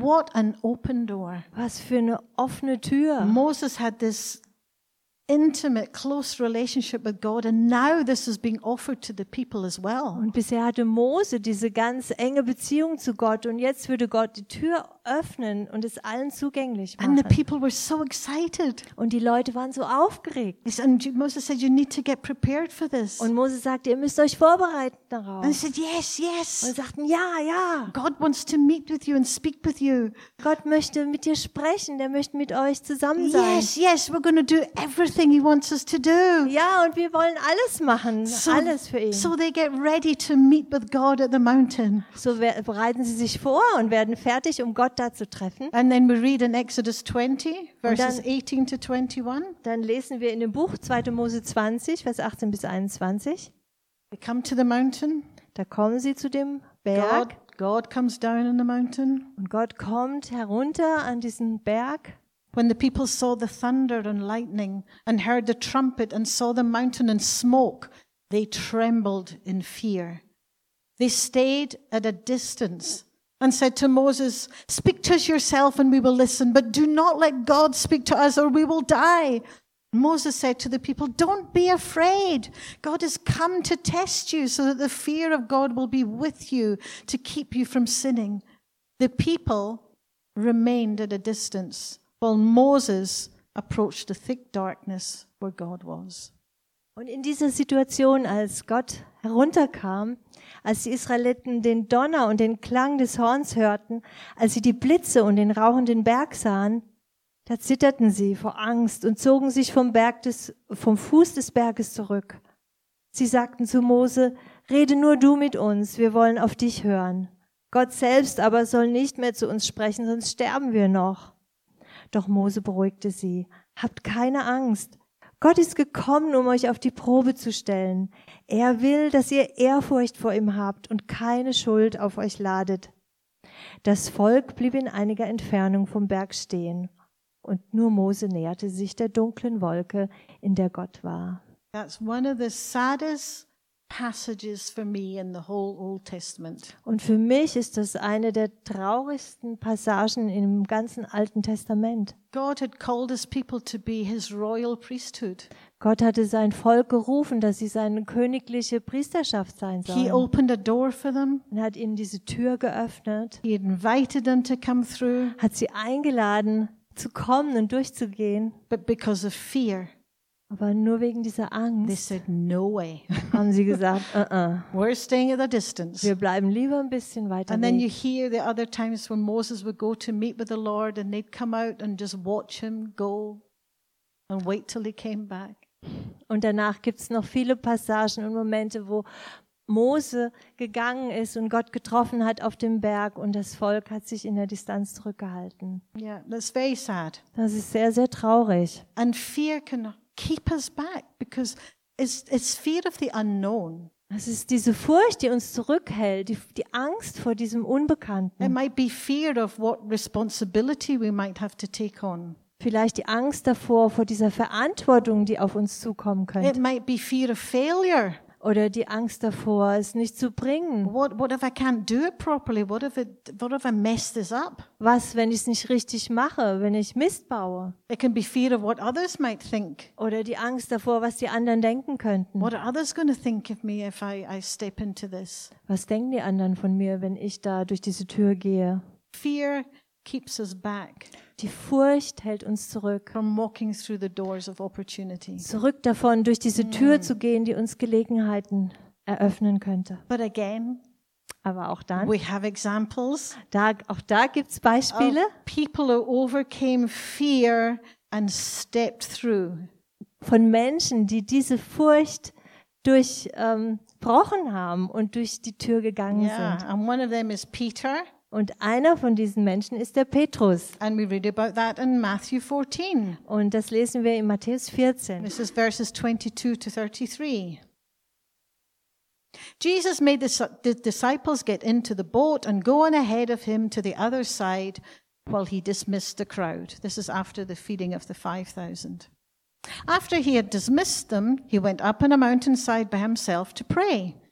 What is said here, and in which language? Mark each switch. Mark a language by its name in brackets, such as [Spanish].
[English] What an open door. [German] Was für eine offene Tür. [English] Moses had this intimate, close relationship with God, and now this is being offered to the people as well. [German] Und bisher hatte Mose diese ganz enge Beziehung zu Gott, und jetzt würde Gott die Tür öffnen und es allen zugänglich machen. [English] And the people were so excited. [German] Und die Leute waren so aufgeregt. [English] And Moses said, "You need to get prepared for this." [German] Und Mose sagte, ihr müsst euch vorbereiten darauf. [English] And said, "Yes, yes." [German] Und sagten, ja, ja. [English] God wants to meet with you and speak with you. [German] Gott möchte mit dir sprechen. Der möchte mit euch zusammen sein. [English] Yes, yes, we're going to do everything He wants us to do. [German] Ja, und wir wollen alles machen, so, alles für ihn. [English] So they get ready to meet with God at the mountain. [German] So bereiten sie sich vor und werden fertig, um Gott da zu treffen. [English] And then we read in Exodus 20, verses dann, 18 to 21. [German] Dann lesen wir in dem Buch 2. Mose 20, Vers 18 bis 21. [English] They come to the mountain. [German] Da kommen sie zu dem Berg. [English] God comes down on the mountain. [German] Und Gott kommt herunter an diesen Berg. [English] When the people saw the thunder and lightning and heard the trumpet and saw the mountain and smoke, they trembled in fear. They stayed at a distance and said to Moses, "Speak to us yourself and we will listen, but do not let God speak to us or we will die." Moses said to the people, "Don't be afraid. God has come to test you so that the fear of God will be with you to keep you from sinning." The people remained at a distance while Moses approached the thick darkness where God was. [German] Und in dieser Situation, als Gott herunterkam, als die Israeliten den Donner und den Klang des Horns hörten, als sie die Blitze und den rauchenden Berg sahen, da zitterten sie vor Angst und zogen sich vom Fuß des Berges zurück. Sie sagten zu Mose, "Rede nur du mit uns, wir wollen auf dich hören. Gott selbst aber soll nicht mehr zu uns sprechen, sonst sterben wir noch." Doch Mose beruhigte sie, "Habt keine Angst. Gott ist gekommen, um euch auf die Probe zu stellen. Er will, dass ihr Ehrfurcht vor ihm habt und keine Schuld auf euch ladet." Das Volk blieb in einiger Entfernung vom Berg stehen. Und nur Mose näherte sich der dunklen Wolke, in der Gott war. [English] That's one of the saddest passages for me in the whole Old Testament. [German] Und für mich ist das eine der traurigsten Passagen im ganzen Alten Testament. [English] God had called his people to be his royal priesthood. [German] Gott hatte sein Volk gerufen, dass sie seine königliche Priesterschaft sein sollen. [English] He opened a door for them. [German] Und hat ihnen diese Tür geöffnet. [English] He invited them to come through. [German] Hat sie eingeladen, zu kommen und durchzugehen. [English] But because of fear. [German] Aber nur wegen dieser Angst. [English] They said, "No way." [German] Haben sie gesagt, [English] "We're staying at a distance." [German] Wir bleiben lieber ein bisschen weiter. [English] And then you hear the other times when Moses would go to meet with the Lord and they'd come out and just watch him go and wait till he came back. [German] Und danach gibt's noch viele Passagen und Momente, wo Mose gegangen ist und Gott getroffen hat auf dem Berg und das Volk hat sich in der Distanz zurückgehalten. [English] Yeah, that's very sad. [German] Das ist sehr, sehr traurig. [English] And fear can keep us back, because it's fear of the unknown. [German] Es ist diese Furcht, die uns zurückhält, die Angst vor diesem Unbekannten. [English] It might be fear of what responsibility we might have to take on. [German] Vielleicht die Angst davor, vor dieser Verantwortung, die auf uns zukommen könnte. [English] It might be fear of failure. [German] Oder die Angst davor, es nicht zu bringen. [English] What if I can't do it properly? What if I mess this up? [German] Was, wenn ich es nicht richtig mache, wenn ich Mist baue? [English] It can be fear of what others might think. [German] Oder die Angst davor, was die anderen denken könnten. [English] What are others going to think of me if I step into this? [German] Was denken die anderen von mir, wenn ich da durch diese Tür gehe? [English] Fear keeps us back. [German] Die Furcht hält uns zurück. [English] From walking through the doors of opportunity. [German] Zurück davon, durch diese Tür zu gehen, die uns Gelegenheiten eröffnen könnte. [English] But again, [German] aber auch dann, [English] we have examples. [German] Auch da gibt's Beispiele. [English] People who overcame fear and stepped through. [German] Von Menschen, die diese Furcht durchbrochen haben und durch die Tür gegangen sind. [English] Yeah, and one of them is Peter. [German] Und einer von diesen Menschen ist der Petrus. [English] And we read about that in Matthew 14. [German] Und das lesen wir in Matthäus 14. [English] This is verses 22 to 33. Jesus made the disciples get into the boat and go on ahead of him to the other side while he dismissed the crowd. This is after the feeding of the 5,000. After he had dismissed them, he went up on a mountainside by himself to pray.